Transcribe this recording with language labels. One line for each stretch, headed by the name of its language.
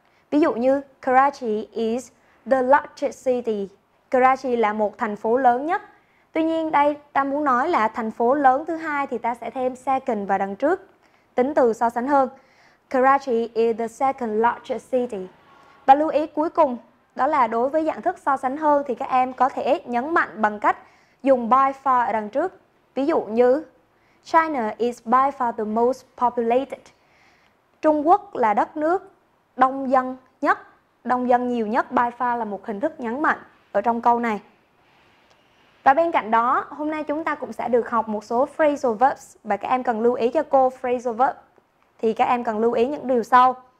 Vietnamese: Ví dụ như
English: Karachi is the largest city.
Vietnamese: Karachi là một thành phố lớn nhất. Tuy nhiên đây ta muốn nói là thành phố lớn thứ hai thì ta sẽ thêm second vào đằng trước, tính từ so sánh hơn.
English: Karachi is the second largest city.
Vietnamese: Và lưu ý cuối cùng đó là đối với dạng thức so sánh hơn thì các em có thể nhấn mạnh bằng cách dùng by far ở đằng trước. Ví dụ như
English: China is by far the most populated.
Vietnamese: Trung Quốc là đất nước đông dân nhất, đông dân nhiều nhất. By far là một hình thức nhấn mạnh ở trong câu này. Và bên cạnh đó, hôm nay chúng ta cũng sẽ được học một số phrasal verbs. Và các em cần lưu ý cho cô phrasal verb thì các em cần lưu ý những điều sau.